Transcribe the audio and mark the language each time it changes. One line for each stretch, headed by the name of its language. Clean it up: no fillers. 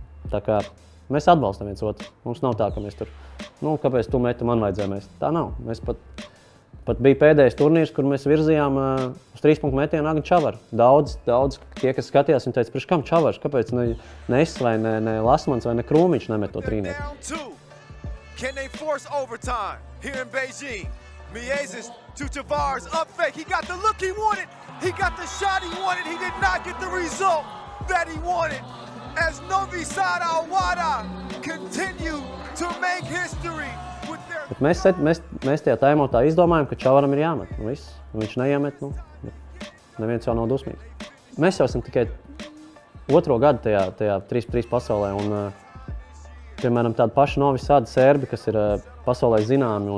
Latvian: Tā kā mēs atbalstam viens otru. Mums nav tā, ka mēs tur, nu, kāpēc tu metu, man vajadzēja mēs. Tā nav. Mēs pat bija pēdējais turnīrs, kur mēs virzījām uz 3 punktu metienu Agnis Čavars. Daudz tie, kas skatījās, viņi teica, priekš kam Čavars? Kāpēc ne es vai ne Lasmanis vai ne Krūmiņš nemet to trīnieku?
English: Can they force overtime here in Beijing? Miezis to Čavars, up fake, he got the look he wanted, he got the shot he wanted, he did not get the result that he wanted. As Novi Sad Awada continue to make history with their...
Latvian: Mēs tajā taimotā izdomājam, ka Čavaram ir jāmet. Nu, viss. Viņš neiemet, nu, neviens jau nav dusmīgs. Mēs jau esam tikai otro gadu tajā 3-3 pasaulē. Un, piemēram, tādi paši Novi Sadi sērbi, kas ir pasaulē zināmi.